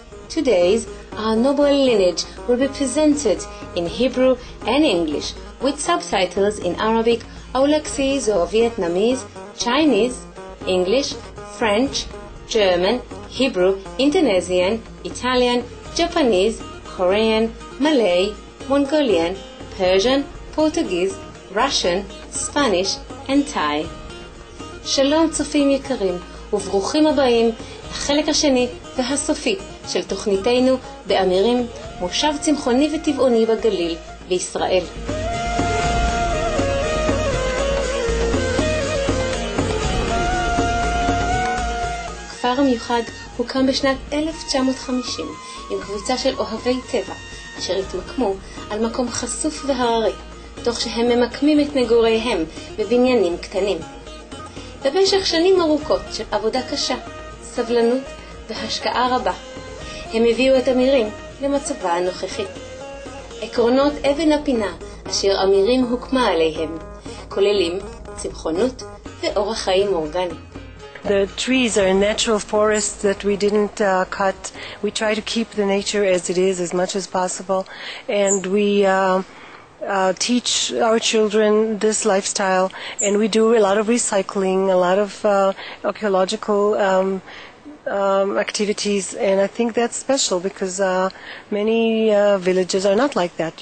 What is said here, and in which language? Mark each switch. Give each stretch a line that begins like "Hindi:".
English: Today's our noble lineage will be presented in Hebrew and English with subtitles in Arabic, Awlaksiz or Vietnamese, Chinese, English, French, German, Hebrew, Indonesian, Italian, Japanese, Korean, Malay, Mongolian, Persian, Portuguese, Russian, Spanish, and Thai.
Hebrew: שלום צופים יקרים וברוכים הבאים לחלק השני והסופי של תוכניתנו באמירים מושב צמחוני וטבעוני בגליל בישראל. כפר מיוחד הוקם בשנת 1950 עם קבוצה של אוהבי טבע אשר התמקמו על מקום חשוף והררי, תוך שהם ממקמים את מגוריהם בבניינים קטנים. במשך שנים ארוכות של עבודה קשה, סבלנות והשקעה רבה, הם הביאו את אמירים למצבה הנוכחי. עקרונות אבן הפינה אשר אמירים הוקמה עליהם כוללים צמחונות ואורח חיים אורגני.
English: The trees are a natural forest that we didn't cut. We try to keep the nature as it is as much as possible, and we teach our children this lifestyle, and we do a lot of recycling, a lot of archaeological activities, and I think that's special because many villages are not like that.